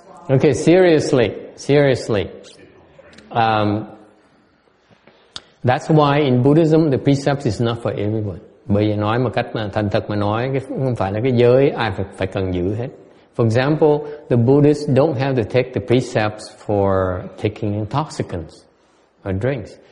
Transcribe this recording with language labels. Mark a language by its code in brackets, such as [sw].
[en] Okay, seriously, that's why in Buddhism the precept is not for everyone. [vi] Bởi vì nói một cách mà thành thật mà nói, không phải là cái giới ai phải cần giữ hết. [en] For example, the Buddhists don't have to take the precepts for taking intoxicants or drinks.